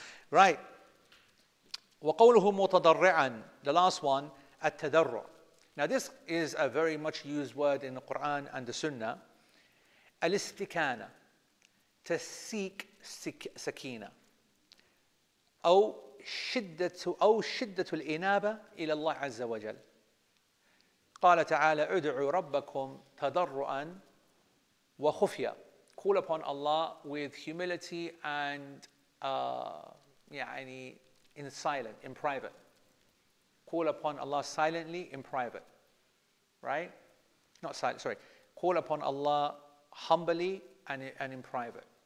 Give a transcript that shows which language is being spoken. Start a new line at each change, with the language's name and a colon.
Arabic: Right. وَقَوْلُهُ مُتَضَرِّعًا.
English: The last one, التَّدَرُّع. Now, this is a very much used word in the Quran and the Sunnah. الاستكانة, to seek سكينة.
Arabic: أو شدة الإنابة إلى الله عز وجل. قال تعالى ادعوا ربكم تضرعا وخفيا.
English: Call upon Allah with humility and يعني in silent, in private. Call upon Allah silently in private. Right? Not silent, sorry. Call upon Allah humbly and in private.